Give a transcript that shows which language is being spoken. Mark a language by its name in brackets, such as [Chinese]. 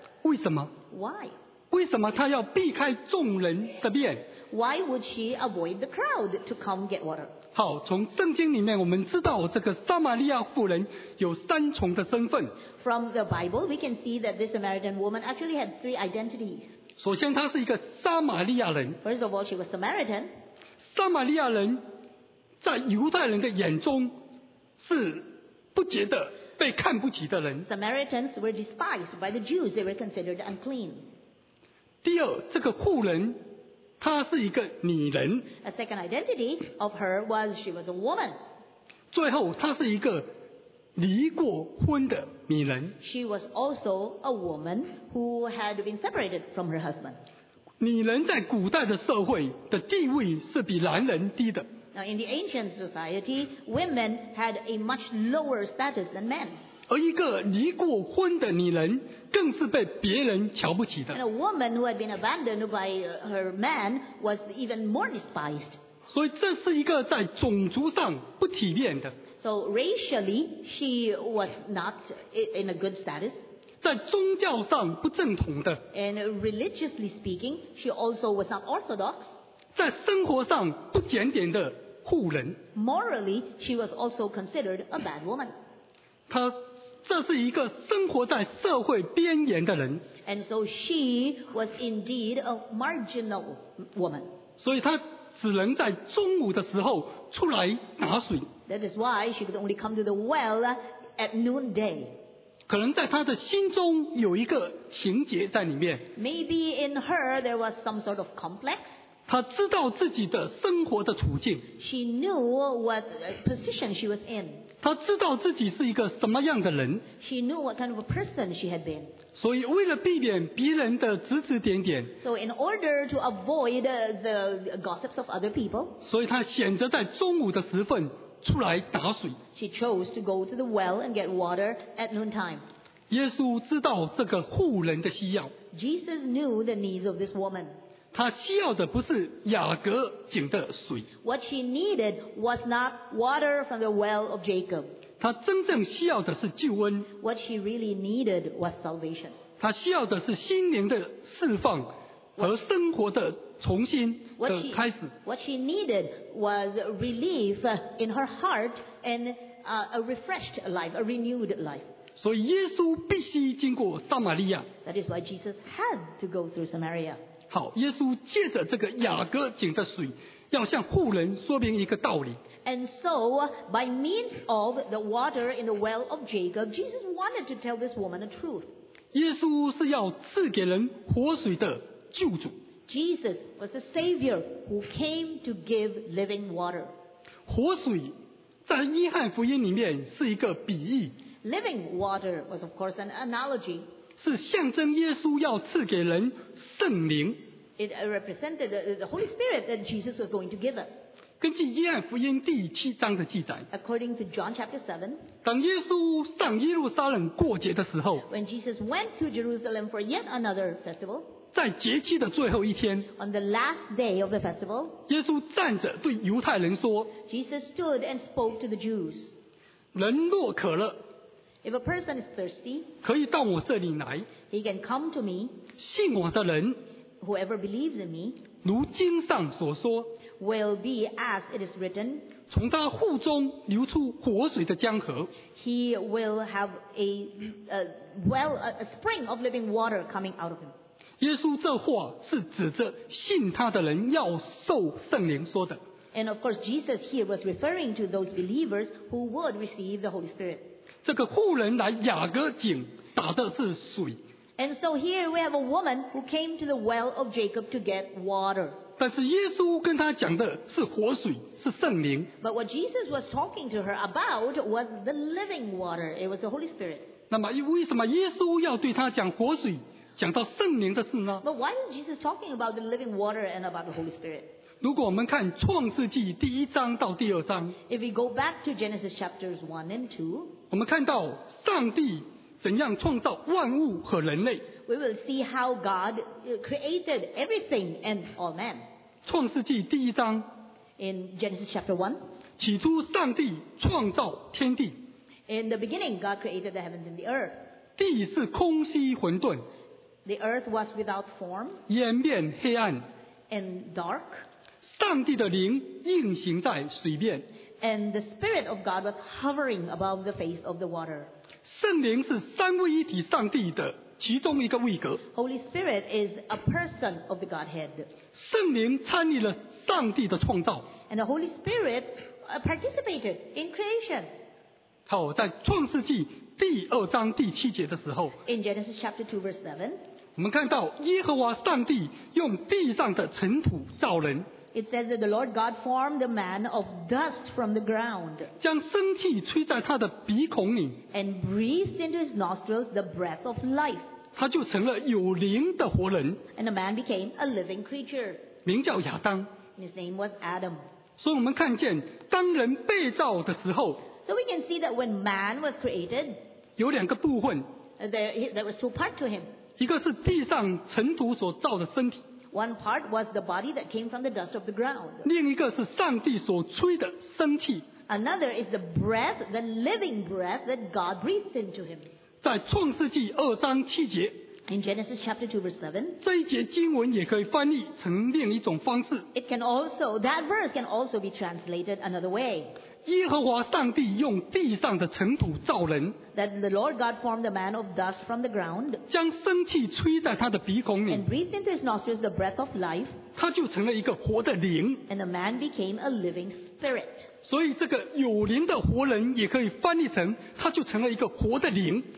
[Chinese] 为什么 [English] ？Why? [Chinese] 为什么他要避开众人的面 [English] ？Why would she avoid the crowd to come get water？ [Chinese] 好，从圣经里面我们知道这个撒玛利亚妇人有三重的身份。 [English] From the Bible, we can see that this Samaritan woman actually had three identities. [Chinese] 首先，她是一个撒玛利亚人。 [English] First of all, she was Samaritan. [Chinese] 撒玛利亚人在犹太人的眼中是不洁的、被看不起的人。 [English] Samaritans were despised by the Jews. They were considered unclean. [Chinese] 第二，这个妇人，她是一个女人。 [English] A second identity of her was she was a woman. [Chinese] 最后，她是一个离过婚的女人。 [English] She was also a woman who had been separated from her husband. [Chinese] 女人在古代的社会的地位是比男人低的。 [English] Now in the ancient society, women had a much lower status than men. [Chinese] 而一个离过婚的女人更是被别人瞧不起的。 [English] And a woman who had been abandoned by her man was even more despised. [Chinese] 所以这是一个在种族上不体面的。 [English] So racially, she was not in a good status. [Chinese] 在宗教上不正统的。 [English] And religiously speaking, she also was not orthodox. [Chinese] 在生活上不检点的妇人。 [English] Morally, she was also considered a bad woman. [Chinese] 她这是一个生活在社会边缘的人。 [English] And so she was indeed a marginal woman. [Chinese] 所以她只能在中午的时候出来打水。 [English] That is why she could only come to the well at noonday. [Chinese] 可能在她的心中有一个情结在里面。 [English] Maybe in her there was some sort of complex. [Chinese] 她知道自己的生活的处境。 [English] She knew what position she was in. [Chinese] 她知道自己是一个什么样的人。 [English] She knew what kind of a person she had been. [Chinese] 所以为了避免别人的指指点点。 [English] So in order to avoid the gossips of other people. [Chinese] 所以她选择在中午的时分。出来打水。 [English] She chose to go to the well and get water at noontime. [Chinese] 耶稣知道这个妇人的需要。 [English] Jesus knew the needs of this woman. [Chinese] 她需要的不是雅各井的水。 [English] What she needed was not water from the well of Jacob. [Chinese] 她真正需要的是救恩。 [English] What she really needed was salvation. [Chinese] 她需要的是心灵的释放和生活的重新的开始。 [English] What she needed was relief in her heart and a refreshed life, a renewed life. [Chinese] 所以耶稣必须经过撒玛利亚。 [English] That is why Jesus had to go through Samaria. [Chinese] 好，耶稣借着这个雅各井的水，要向妇人说明一个道理。 [English] And so, by means of the water in the well of Jacob, Jesus wanted to tell this woman the truth. [Chinese] 耶稣是要赐给人活水的救主。 [English] Jesus was the Savior who came to give living water. [Chinese] 活水在约翰福音里面是一个比喻。 [English] Living water was of course an analogy. [Chinese] 是象征耶稣要赐给人圣灵。 [English] It represented the Holy Spirit that Jesus was going to give us. [Chinese] 根据约翰福音第七章的记载。 [English] According to John chapter 7. [Chinese] 当耶稣上耶路撒冷过节的时候。 [English] When Jesus went to Jerusalem for yet another festival. [Chinese] 在节期的最后一天 [English] On the last day of the festival, [Chinese] 耶稣站着对犹太人说 [English] Jesus stood and spoke to the Jews, [Chinese] 人若渴了 [English] If a person is thirsty, [Chinese] 可以到我这里来 [English] He can come to me, [Chinese] 信我的人 [English] Whoever believes in me, [Chinese] 如经上所说 [English] Will be as it is written, [Chinese] 从他腹中流出活水的江河 [English] He will have a spring of living water coming out of him. [Chinese] 耶稣这话是指着信他的人要受圣灵说的。 [English] And of course, Jesus here was referring to those believers who would receive the Holy Spirit. [Chinese] 这个妇人来雅各井打的是水。 [English] And so here we have a woman who came to the well of Jacob to get water. [Chinese] 但是耶稣跟他讲的是活水，是圣灵。 [English] But what Jesus was talking to her about was the living water. It was the Holy Spirit. [Chinese] 那么为什么耶稣要对他讲活水？讲到圣灵的事呢 [English] But why is Jesus talking about the living water and about the Holy Spirit? [Chinese] 如果我们看创世纪第一章到第二章 [English] If we go back to Genesis chapters 1 and 2 [Chinese] 我们看到上帝怎样创造万物和人类 [English] We will see how God created everything and all men [Chinese] 创世纪第一章 [English] In Genesis chapter 1 [Chinese] 起初上帝创造天地 [English] In the beginning, God created the heavens and the earth [Chinese] 地是空虚混沌 [English] The earth was without form, [Chinese] 淹面黑暗 [English] and dark. [Chinese] 上帝的灵运行在水面 [English] and the spirit of God was hovering above the face of the water. [Chinese] 圣灵是三位一体上帝的其中一个位格 [English] Holy Spirit is a person of the Godhead. [Chinese] 圣灵参与了上帝的创造 [English] and the Holy Spirit participated in creation. [Chinese] 好，在创世纪。第二章第七节的时候 [English] In Genesis chapter 2 verse 7 [Chinese] 我们看到耶和华上帝用地上的尘土造人 [English] It says that the Lord God formed a man of dust from the ground. [Chinese] 将生气吹在他的鼻孔里。 [English] And breathed into his nostrils the breath of life. [Chinese] 他就成了有灵的活人。 [English] And the man became a living creature. [Chinese] 名叫亚当。 [English] And his name was Adam. [Chinese] 所以我们看见当人被造的时候。 [English] So we can see that when man was created. [Chinese] 有两个部分。 [English] There was two parts to him. [Chinese] 一个是地上尘土所造的身体。 [English] One part was the body that came from the dust of the ground. [Chinese] 另一个是上帝所吹的生气。 [English] Another is the breath, the living breath that God breathed into him. [Chinese] 在创世纪二章七节。 [English] In Genesis chapter 2 verse 7. [Chinese] 这一节经文也可以翻译成另一种方式。 [English] It can also, that verse can also be translated another way. [Chinese] 耶和华上帝用地上的尘土造人。 [English] That the Lord God formed a man of dust from the ground. [Chinese] 将生气吹在他的鼻孔里。 [English] And breathed into his nostrils the breath of life. [Chinese] 他就成了一个活的灵。 [English] And the man became a living spirit. [Chinese] 所以这个有灵的活人也可以翻译成他就成了一个活的灵。